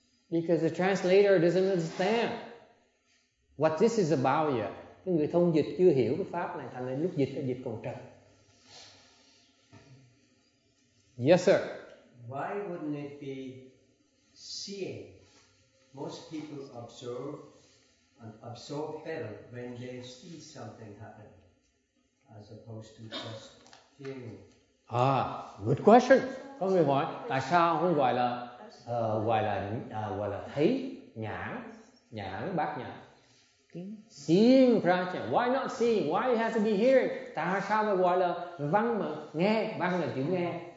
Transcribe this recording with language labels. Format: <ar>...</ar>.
<en>Because the translator doesn't understand what this is about yet.</en> <vi>Cái người thông dịch chưa hiểu cái pháp này, thành ra lúc dịch là dịch còn trật.</vi> <en>Yes, sir. Why wouldn't it be seeing? Most people observe and absorb better when they see something happen, as opposed to just hearing. Ah, good question.</en> <vi>Có người hỏi tại sao không gọi là gọi là thấy nhãn, nhãn bát nhãn.</vi> <en>Seeing prajna. Why not seeing? Why it has to be hearing?</en> <vi>Tại sao mà gọi là văn mà nghe, văn là chữ nghe.</vi>